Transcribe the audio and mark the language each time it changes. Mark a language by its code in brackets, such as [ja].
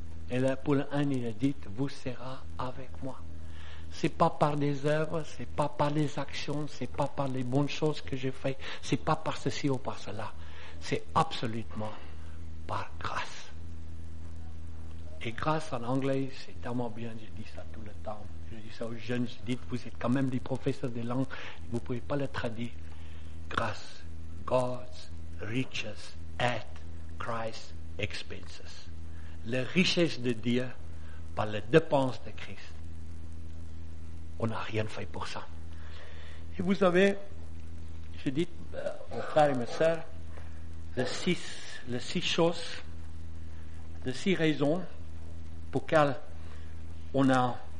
[fr] Et là, pour l'un, il a dit, vous serez avec moi. Ce n'est pas par des œuvres, ce n'est pas par les actions, ce n'est pas par les bonnes choses que j'ai faites, ce n'est pas par ceci ou par cela. C'est absolument par grâce. Et grâce en anglais, c'est tellement bien, je dis ça tout le temps. Je dis ça aux jeunes, je dis, vous êtes quand même des professeurs de langue, vous ne pouvez pas le traduire. [en] Grâce, God's riches at Christ's expenses. [fr] La richesse de Dieu par les dépenses de Christ. On n'a rien fait pour ça. Et vous savez, je dis aux frères et mes sœurs, les six choses, les six raisons pour lesquelles on a.